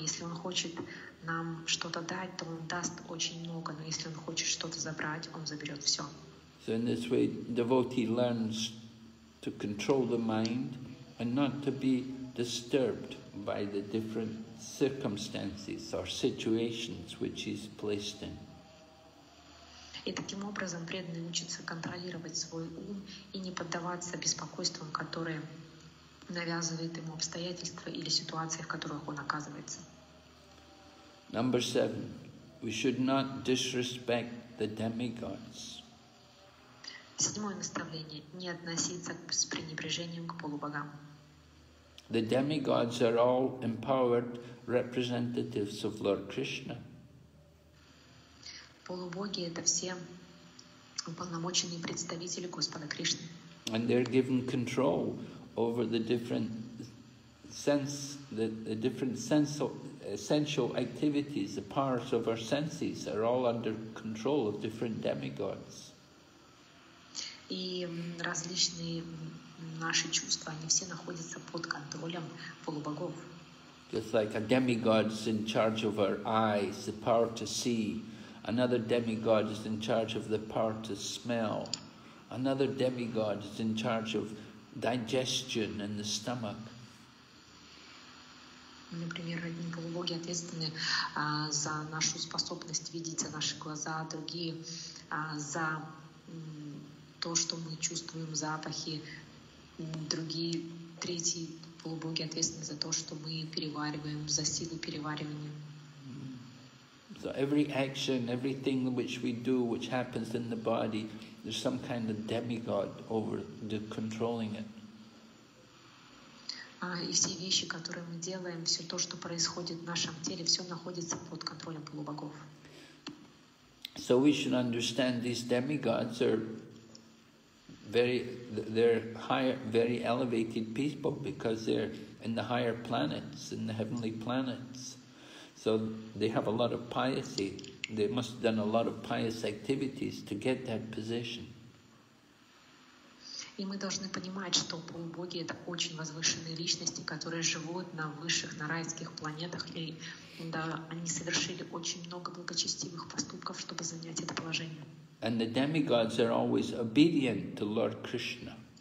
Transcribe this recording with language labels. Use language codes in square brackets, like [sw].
[ru] Если он хочет нам что-то дать, то он даст очень много, но если он хочет что-то забрать, он заберет все. [en] So in this way, devotee learns to control the mind and not to be disturbed by the different circumstances or situations which he's placed in. [ru] И таким образом преданный учится контролировать свой ум и не поддаваться беспокойствам, которые навязывает ему обстоятельства или ситуации, в которых он оказывается. [en] Number seven. We should not disrespect the demigods. [ru] Седьмое наставление. Не относиться с пренебрежением к полубогам. [en] The demigods are all empowered representatives of Lord Krishna. [ru] Полубоги — это все уполномоченные представители Господа Кришны. [en] And they're given control over the different essential activities, the powers of our senses are all under control of different demigods. [ru] И различные наши чувства, они все находятся под контролем полубогов. [en] Just like a demigod is in charge of our eyes, the power to see. Another demigod is in charge of the power to smell. Another demigod is in charge of digestion and the stomach. [ru] Например, одни полубоги ответственны за нашу способность видеть, за наши глаза, другие за то, что мы чувствуем, запахи, другие, третьи полубоги ответственны за то, что мы перевариваем, за силу переваривания. [en] So every action, everything which we do, which happens in the body, there's some kind of demigod over the controlling it. [ru] И все вещи, которые мы делаем, все то, что происходит в нашем теле, все находится под контролем полубогов. [en] So we should understand these demigods are very elevated people because they're in the higher planets, in the heavenly planets. So they have a lot of piety. They must have done a lot of pious activities to get that position. [ru] И мы должны понимать, что полубоги — это очень возвышенные личности, которые живут на высших, на райских планетах, и да, они совершили очень много благочестивых поступков, чтобы занять это положение. [en] And the demigods are always obedient to Lord Krishna.